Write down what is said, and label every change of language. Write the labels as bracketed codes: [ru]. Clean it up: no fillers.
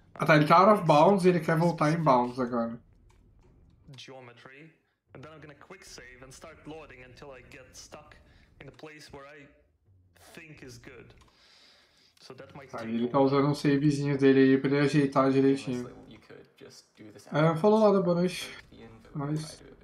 [pt] Ah tá, ele tá out of bounds e ele quer voltar em bounds agora. [en] Geometry. And then I'm gonna quick save and start loading until I get stuck in a place where I think is good. So that might [pt] take. Aí ele tá usando um savezinho dele aí pra ele ajeitar direitinho. Ah, falou lá da boa noite. Mas...